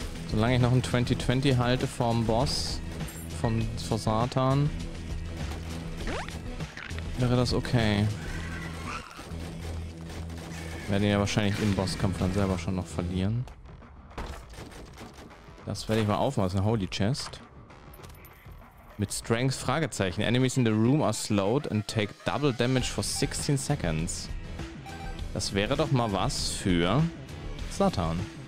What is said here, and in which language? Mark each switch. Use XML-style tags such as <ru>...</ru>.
<de>Solange ich noch ein 20-20 halte vom Boss, vor Satan, wäre das okay. Werde ihn ja wahrscheinlich im Bosskampf dann selber schon noch verlieren. Das werde ich mal aufmachen, Holy Chest. Mit Strength? Fragezeichen.</de> <en>Enemies in the room are slowed and take double damage for 16 seconds.</en> <de>Das wäre doch mal was für Satan.</de>